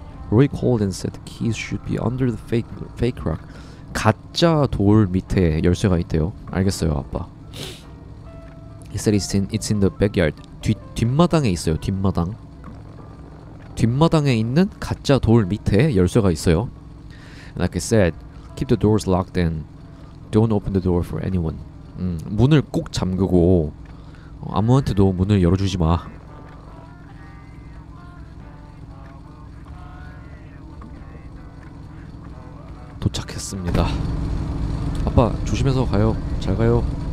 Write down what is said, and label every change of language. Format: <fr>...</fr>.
<en>Roy called and said the keys should be under the fake rock.</en> <ko>가짜 돌 밑에 열쇠가 있대요. 알겠어요, 아빠.</ko> <en>He said it's in the backyard.</en> <ko>뒷마당에 있어요, 뒷마당. 뒷마당에 있는 가짜 돌 밑에 열쇠가 있어요.</ko> <en>Like I said, keep the doors locked and don't open the door for anyone.</en> <ko>문을 꼭 잠그고 아무한테도 문을 열어주지 마. (도착했습니다.) 아빠 조심해서 가요. 잘 가요.</ko>